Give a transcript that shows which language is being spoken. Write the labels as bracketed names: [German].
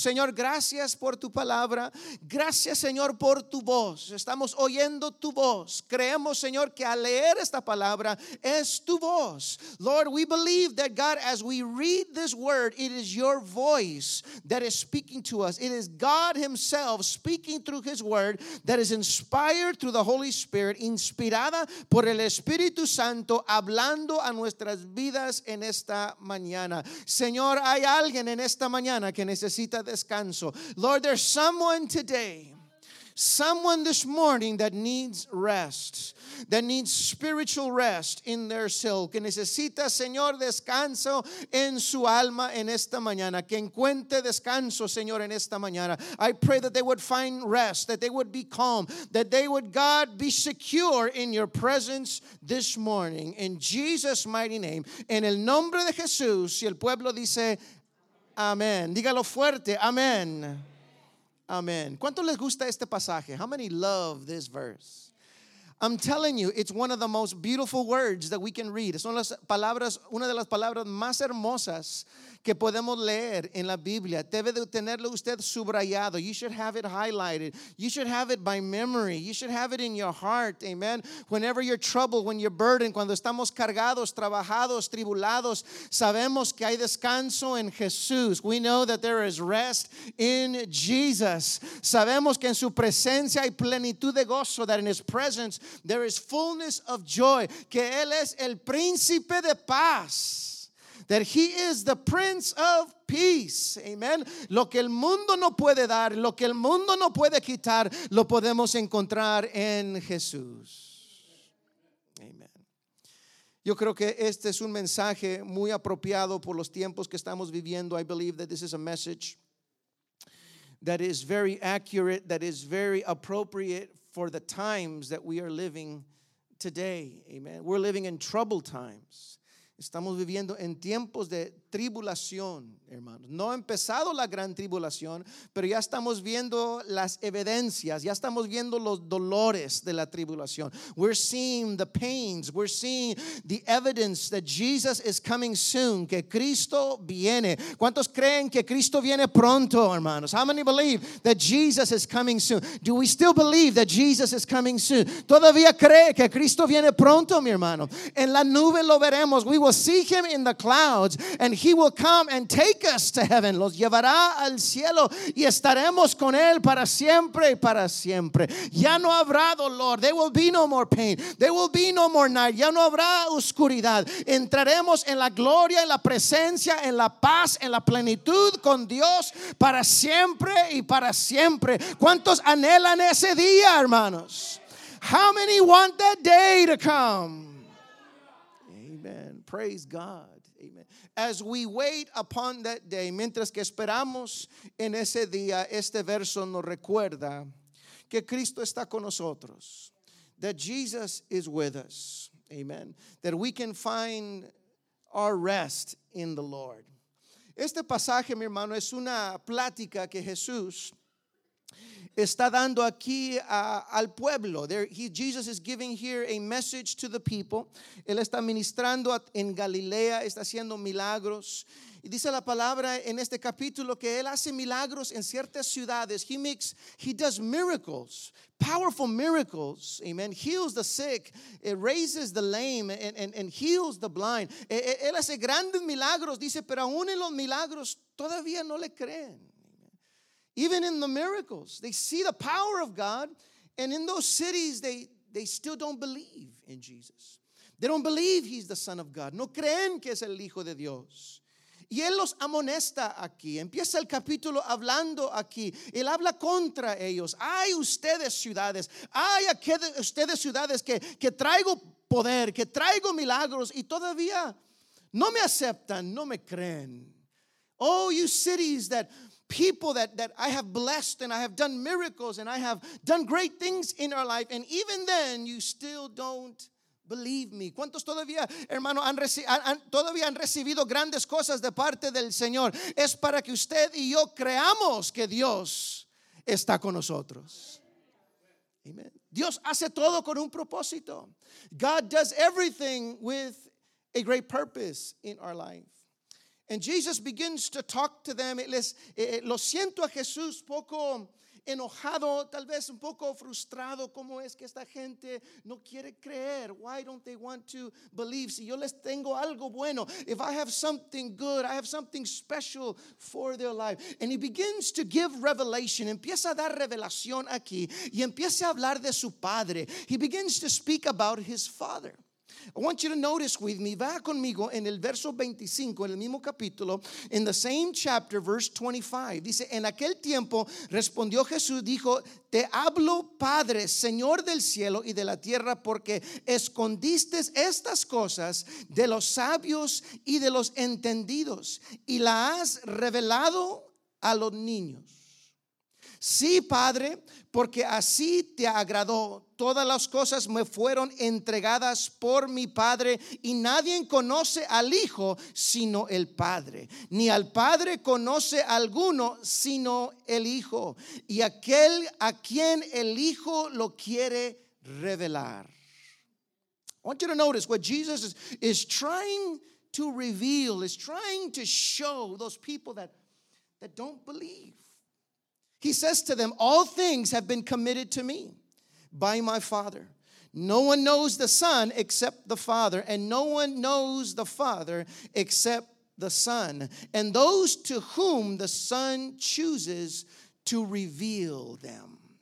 [Spanish] Señor, gracias por tu palabra. Gracias, Señor, por tu voz. Estamos oyendo tu voz. Creemos, Señor, que al leer esta palabra es tu voz. [English] Lord, we believe that God, as we read this word, it is your voice that is speaking to us. It is God himself speaking through his word that is inspired through the Holy Spirit, [Spanish] inspirada por el Espíritu Santo, hablando a nuestras vidas en esta mañana. Señor, hay alguien en esta mañana que necesita descanso. [English] Lord, there's someone today, someone this morning that needs rest, that needs spiritual rest in their soul, [Spanish] que necesita, Señor, descanso en su alma en esta mañana, que encuentre descanso, Señor, en esta mañana. [English] I pray that they would find rest, that they would be calm, that they would, God, be secure in your presence this morning. In Jesus' mighty name, [Spanish] en el nombre de Jesús, y el pueblo dice, amén. Dígalo fuerte, amén. Amen. ¿Cuánto les gusta este pasaje? [English] How many love this verse? I'm telling you, it's one of the most beautiful words that we can read. [Spanish] Son las palabras, una de las palabras más hermosas que podemos leer en la Biblia. Debe de tenerlo usted subrayado. [English] You should have it highlighted. You should have it by memory. You should have it in your heart. Amen. Whenever you're troubled, when you're burdened, [Spanish] cuando estamos cargados, trabajados, tribulados, sabemos que hay descanso en Jesús. [English] We know that there is rest in Jesus. [Spanish] Sabemos que en su presencia hay plenitud de gozo, [English] that in his presence there is fullness of joy, [Spanish] que él es el príncipe de paz. [English] That he is the Prince of Peace. Amen. [Spanish] Lo que el mundo no puede dar, lo que el mundo no puede quitar, lo podemos encontrar en Jesús. Amen. Yo creo que este es un mensaje muy apropiado por los tiempos que estamos viviendo. [English] I believe that this is a message that is very accurate, that is very appropriate for the times that we are living today. Amen. We're living in troubled times. [Spanish] Estamos viviendo en tiempos de tribulación, hermanos. No ha empezado la gran tribulación, pero ya estamos viendo las evidencias, ya estamos viendo los dolores de la tribulación. [English] We're seeing the pains, we're seeing the evidence that Jesus is coming soon, [Spanish] que Cristo viene. ¿Cuántos creen que Cristo viene pronto, hermanos? [English] How many believe that Jesus is coming soon? Do we still believe that Jesus is coming soon? [Spanish] ¿Todavía cree que Cristo viene pronto, mi hermano? En la nube lo veremos. [English] We will see him in the clouds, and he will come and take us to heaven. [Spanish] Los llevará al cielo y estaremos con él para siempre y para siempre. Ya no habrá dolor. [English] There will be no more pain. There will be no more night. [Spanish] Ya no habrá oscuridad. Entraremos en la gloria, en la presencia, en la paz, en la plenitud con Dios para siempre y para siempre. ¿Cuántos anhelan ese día, hermanos? [English] How many want that day to come? Amen. Praise God. As we wait upon that day, [Spanish] mientras que esperamos en ese día, este verso nos recuerda que Cristo está con nosotros. [English] That Jesus is with us. Amen. That we can find our rest in the Lord. [Spanish] Este pasaje, mi hermano, es una plática que Jesús está dando aquí al pueblo. [English] Jesus is giving here a message to the people. [Spanish] Él está ministrando en Galilea, está haciendo milagros. Y dice la palabra en este capítulo que él hace milagros en ciertas ciudades. [English] He does miracles, powerful miracles, amen. Heals the sick, raises the lame, and heals the blind. [Spanish] Él hace grandes milagros, dice, pero aún en los milagros todavía no le creen. [English] Even in the miracles, they see the power of God, and in those cities, they still don't believe in Jesus. They don't believe he's the Son of God. [Spanish] No creen que es el Hijo de Dios. Y él los amonesta aquí. Empieza el capítulo hablando aquí. Él habla contra ellos. Hay ustedes ciudades. Hay ustedes ciudades que traigo poder, que traigo milagros, y todavía no me aceptan, no me creen. [English] Oh, you cities that... People that I have blessed and I have done miracles and I have done great things in our life, and even then you still don't believe me. [Spanish] ¿Cuántos todavía, hermano, han recibido grandes cosas de parte del Señor? Es para que usted y yo creamos que Dios está con nosotros. Amen. Dios hace todo con un propósito. [English] God does everything with a great purpose in our life. And Jesus begins to talk to them. [Spanish] Lo siento a Jesús poco enojado, tal vez un poco frustrado. ¿Cómo es que esta gente no quiere creer? [English] Why don't they want to believe? [Spanish] Si yo les tengo algo bueno, [English] if I have something good, I have something special for their life. And he begins to give revelation. [Spanish] Empieza a dar revelación aquí y empieza a hablar de su padre. [English] He begins to speak about his father. I want you to notice with me, [Spanish] va conmigo en el verso 25, en el mismo capítulo, [English] in the same chapter, verse 25. [Spanish] Dice, en aquel tiempo respondió Jesús, dijo, te hablo, Padre, Señor del cielo y de la tierra, porque escondiste estas cosas de los sabios y de los entendidos y la has revelado a los niños. Sí, Padre, porque así te agradó. Todas las cosas me fueron entregadas por mi Padre, y nadie conoce al Hijo sino el Padre, ni al Padre conoce alguno sino el Hijo, y aquel a quien el Hijo lo quiere revelar. [English] I want you to notice what Jesus is trying to reveal, is trying to show those people that don't believe. He says to them, all things have been committed to me by my Father. No one knows the Son except the Father, and no one knows the Father except the Son, and those to whom the Son chooses to reveal them.